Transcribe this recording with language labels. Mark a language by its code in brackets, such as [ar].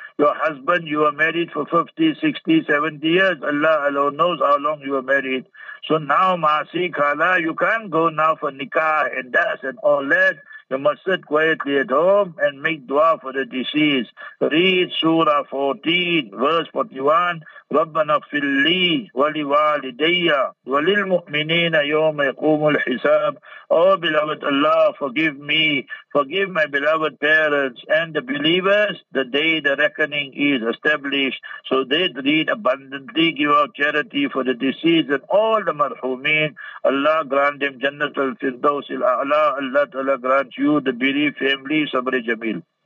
[en] Your husband, you were married for 50, 60, 70 years. Allah alone knows how long you were married. So now, Masi Kala, you can't go now for nikah and das and all that. You must sit quietly at home and make dua for the deceased. Read Surah 14, verse 41. [ar] ربنا اغفر لي ولوالدي وللمؤمنين يوم يقوم الحساب. [en] Oh beloved Allah, forgive me, forgive my beloved parents and the believers the day the reckoning is established, so they read abundantly, give out charity for the deceased and all the marhumeen. Allah grant them Jannat al-Firdaus al-A'la. Allah Ta'ala grant you the bereaved family Sabri Jamil.